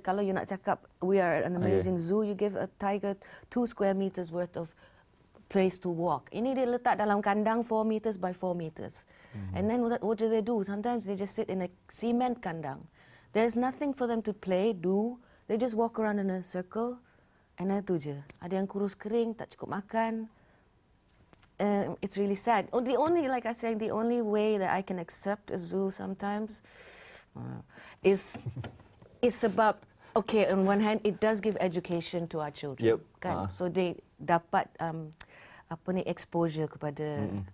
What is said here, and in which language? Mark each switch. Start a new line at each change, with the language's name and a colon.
Malay: Kalau
English: you
Malay: nak cakap
English: we are an amazing zoo, you give a tiger 2 square meters worth of place to walk.
Malay: Ini dia letak dalam kandang
English: 4 meters by 4 meters. And then what do they do? Sometimes they just sit in a cement kandang. There's nothing for them to play, do. They just walk around in a circle. And
Malay: itu je. Ada yang kurus kering, tak cukup makan.
English: It's really sad. The only, like I said, the only way that I can accept a zoo sometimes is about, okay, on one hand, it does give education to our children. Yep.
Malay: Kan?
English: So they
Malay: dapat
English: exposure
Malay: kepada...